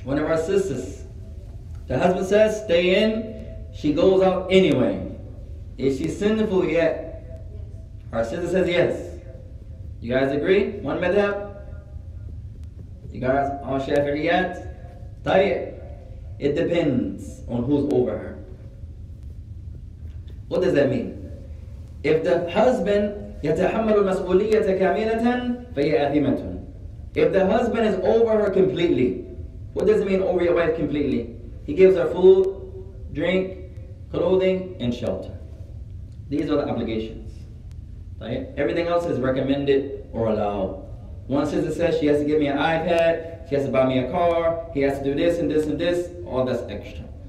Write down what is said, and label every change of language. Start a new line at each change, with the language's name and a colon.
English: One of our sisters, the husband says, stay in, she goes out anyway. Is she sinful yet? Our sister says yes. You guys agree? One madhab? You guys on Shafi'iyat? Tayyip. It depends on who's over her. What does that mean? If the husband
Arabic: يتحمل المسؤولية كاملة فهي آثمة.
English: If the husband is over her completely, what does it mean over your wife completely? He gives her food, drink, clothing, and shelter. These are the obligations. Everything else is recommended or allowed. One sister says she has to give me an iPad, she has to buy me a car, he has to do this and this and this, all that's extra.